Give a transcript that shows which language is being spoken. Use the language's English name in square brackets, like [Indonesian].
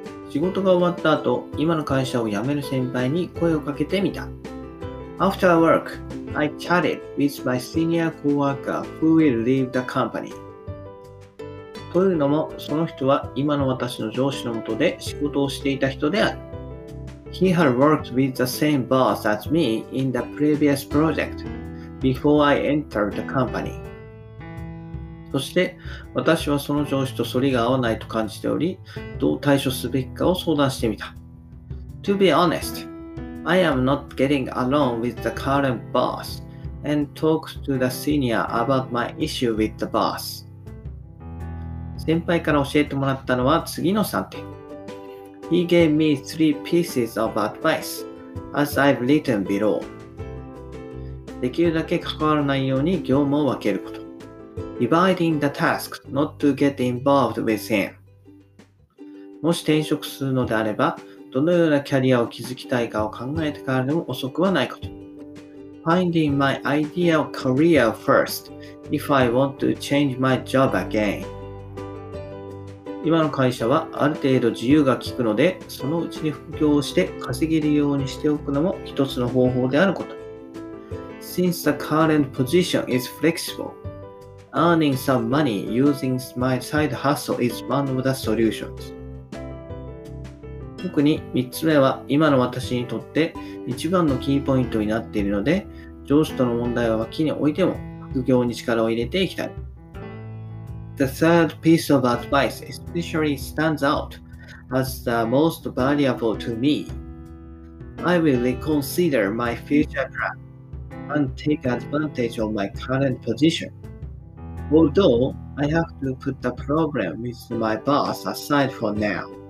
[Japanese] 仕事が終わった後、今の会社を辞める先輩に声をかけてみた。 [English] After work, I chatted with my senior coworker who will leave the company. [Japanese] というのも、その人は今の私の上司のもとで仕事をしていた人である。 [English] He had worked with the same boss as me in the previous project before I entered the company. [Japanese] そして、私はその上司と反りが合わないと感じており、どう対処すべきかを相談してみた。 [English] To be honest, I am not getting along with the current boss and talked to the senior about my issue with the boss. [Japanese] 先輩から教えてもらったのは次の3点。 [English] He gave me three pieces of advice, as I've written below. [Japanese] できるだけ関わらないように業務を分けること。 [English] Dividing the task, not to get involved with him. [Japanese] もし転職するのであれば、どのようなキャリアを築きたいかを考えてからでも遅くはないこと。 [English] Finding my ideal career first, if I want to change my job again. [Japanese] 今の会社はある程度自由が利くので、そのうちに副業をして稼げるようにしておくのも一つの方法であること。 [English] Since the current position is flexible, earning some money using my side hustle is one of the solutions. [Japanese] 特に三つ目は今の私にとって一番のキーポイントになっているので、上司との問題は脇に置いても副業に力を入れていきたい。 [English] The third piece of advice especially stands out as the most valuable to me. I will reconsider my future plan and take advantage of my current position. Although I have to put the problem with my boss aside for now.